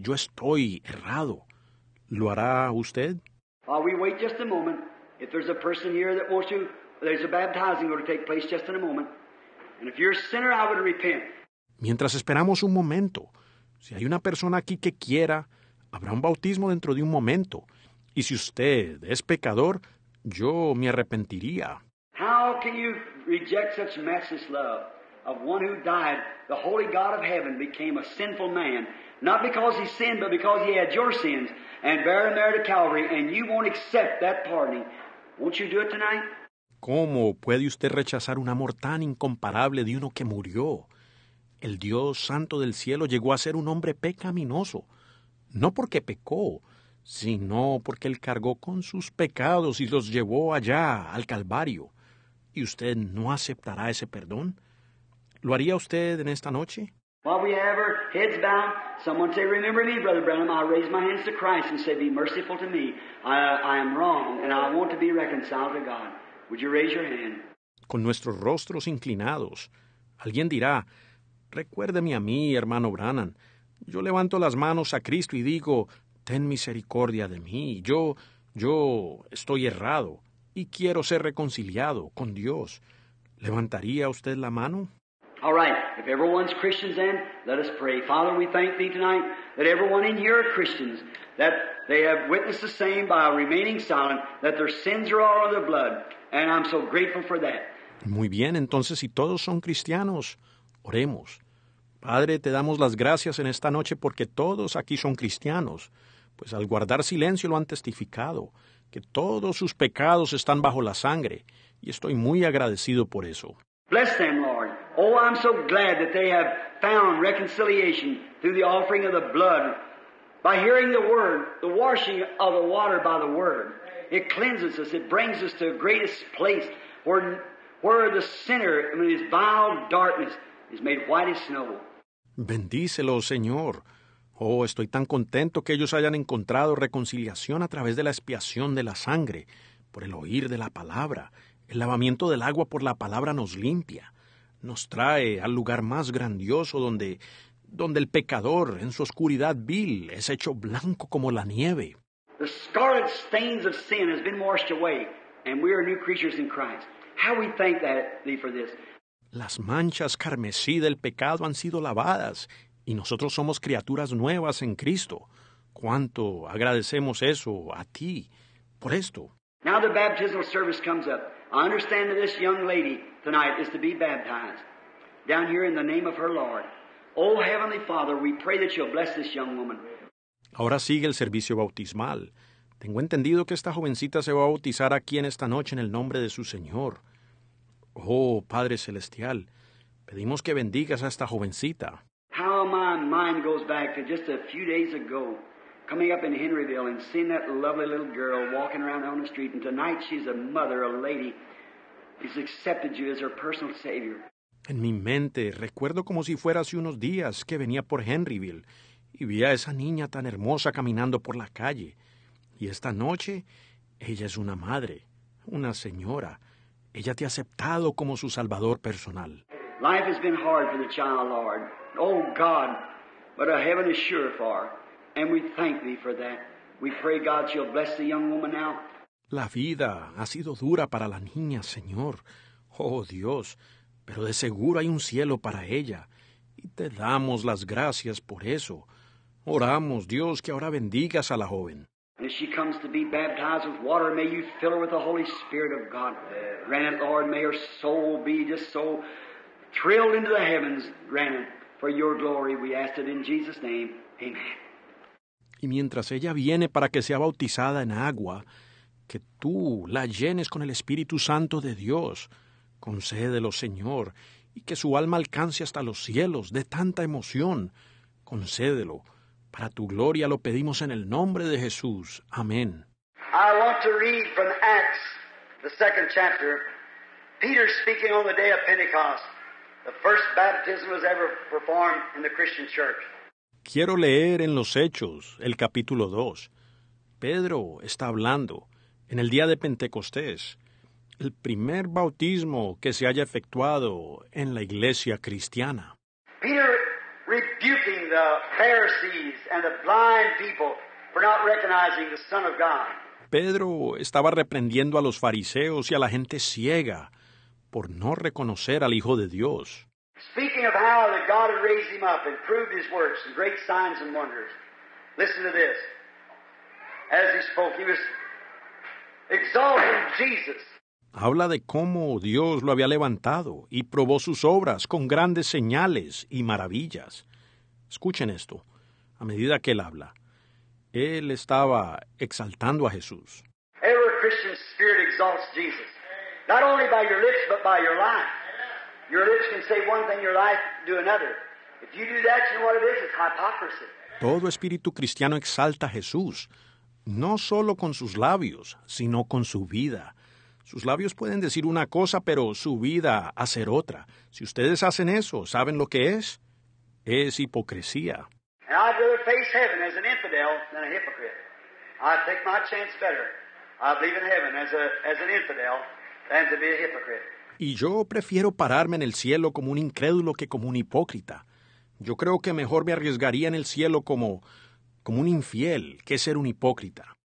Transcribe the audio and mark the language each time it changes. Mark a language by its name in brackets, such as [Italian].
[Spanish] Yo estoy errado. ¿Lo hará usted? [English] While we wait just a moment, if there's a person here that wants to, there's a baptizing going to take place just in a moment. And if you're a sinner, I would repent. [Spanish] Mientras esperamos un momento, si hay una persona aquí que quiera, habrá un bautismo dentro de un momento. Y si usted es pecador, yo me arrepentiría. [English] How can you reject such matchless love of one who died? The holy God of heaven became a sinful man, not because he sinned, but because he had your sins and bear them there to Calvary, and you won't accept that pardoning. Won't you do it tonight? [Spanish] ¿Cómo puede usted rechazar un amor tan incomparable de uno que murió? El Dios Santo del cielo llegó a ser un hombre pecaminoso, no porque pecó, sino porque él cargó con sus pecados y los llevó allá, al Calvario. ¿Y usted no aceptará ese perdón? ¿Lo haría usted en esta noche? [English] While we have our heads bowed, someone say, "Remember me, Brother Branham." I raise my hands to Christ and say, "Be merciful to me. I am wrong and I want to be reconciled to God." Would you raise your hand? [Spanish] Con nuestros rostros inclinados, alguien dirá, "Recuérdeme a mí, hermano Branham. Yo levanto las manos a Cristo y digo, ten misericordia de mí. Yo estoy errado y quiero ser reconciliado con Dios." ¿Levantaría usted la mano? [English] All right. If everyone's Christians then, let us pray. Father, we thank thee tonight that everyone in here are Christians, that they have witnessed the same by remaining silent, that their sins are all of their blood. And I'm so grateful for that. [Spanish] Muy bien. Entonces, si todos son cristianos, oremos. Padre, te damos las gracias en esta noche porque todos aquí son cristianos, pues al guardar silencio lo han testificado, que todos sus pecados están bajo la sangre, y estoy muy agradecido por eso. [English] Bless them, Lord. Oh, I'm so glad that they have found reconciliation through the offering of the blood, by hearing the word, the washing of the water by the word. It cleanses us, it brings us to a greatest place where the sinner in his vile darkness is made white as snow. [Spanish] Bendícelo, Señor. Oh, estoy tan contento que ellos hayan encontrado reconciliación a través de la expiación de la sangre, por el oír de la palabra. El lavamiento del agua por la palabra nos limpia. Nos trae al lugar más grandioso donde el pecador, en su oscuridad vil, es hecho blanco como la nieve. [English] The scarlet stains of sin has been washed away, and we are new creatures in Christ. How we thank thee for this. [Spanish] Las manchas carmesí del pecado han sido lavadas y nosotros somos criaturas nuevas en Cristo. ¿Cuánto agradecemos eso a ti por esto? [English] Now the baptismal service comes up. I understand that this young lady tonight is to be baptized down here in the name of her Lord. Oh, Heavenly Father, we pray that you'll bless this young woman. [Spanish] Ahora sigue el servicio bautismal. Tengo entendido que esta jovencita se va a bautizar aquí en esta noche en el nombre de su Señor. Oh, Padre Celestial, pedimos que bendigas a esta jovencita. [English] How my mind goes back to just a few days ago, coming up in Henryville and seeing that lovely little girl walking around on the street, and tonight she's a mother, a lady, who's accepted you as her personal Savior. [Spanish] En mi mente, recuerdo como si fuera hace unos días que venía por Henryville y vi a esa niña tan hermosa caminando por la calle. Y esta noche, ella es una madre, una señora. Ella te ha aceptado como su salvador personal. [English] Life has been hard for the child, Lord. Oh, God, but a heaven is sure for. And we thank thee for that. We pray, God, she'll bless the young woman now. [Spanish] La vida ha sido dura para la niña, Señor. Oh, Dios, pero de seguro hay un cielo para ella. Y te damos las gracias por eso. Oramos, Dios, que ahora bendigas a la joven. [English] And if she comes to be baptized with water, may you fill her with the Holy Spirit of God. Grant it, Lord, may her soul be just so thrilled into the heavens. Grant it for your glory. We ask it in Jesus' name. Amen. [Spanish] Y mientras ella viene para que sea bautizada en agua, que tú la llenes con el Espíritu Santo de Dios. Concédelo, Señor, y que su alma alcance hasta los cielos de tanta emoción. Concédelo. Para tu gloria lo pedimos en el nombre de Jesús. Amén. [English] I want to read from Acts, the second chapter. Peter speaking on the day of Pentecost. The first baptism was ever performed in the Christian church. [Spanish] Quiero leer en los Hechos, el capítulo 2. Pedro está hablando en el día de Pentecostés. El primer bautismo que se haya efectuado en la iglesia cristiana. [English] Peter rebuking the Pharisees and the blind people for not recognizing the Son of God. [Spanish] Pedro estaba reprendiendo a los fariseos y a la gente ciega por no reconocer al Hijo de Dios. [English] Speaking of how that God had raised him up and proved his works and great signs and wonders. Listen to this. As he spoke, he was exalting Jesus. [Spanish] Habla de cómo Dios lo había levantado y probó sus obras con grandes señales y maravillas. Escuchen esto. A medida que él habla, él estaba exaltando a Jesús. [English] Every Christian spirit exalts Jesus. Not only by your lips, but by your life. Your lips can say one thing, your life do another. If you do that, you know what it is? It's hypocrisy. [Spanish] Todo espíritu cristiano exalta a Jesús, no solo con sus labios, sino con su vida. Sus labios pueden decir una cosa, pero su vida hacer otra. Si ustedes hacen eso, ¿saben lo que es? Es hipocresía. [English] And I'd rather face heaven as an infidel than a hypocrite. I'd take my chance better. I'd leave in heaven as an infidel than to be a hypocrite. [Spanish] Y yo prefiero pararme en el cielo como un incrédulo que como un hipócrita. Yo creo que mejor me arriesgaría en el cielo como un infiel que ser un hipócrita.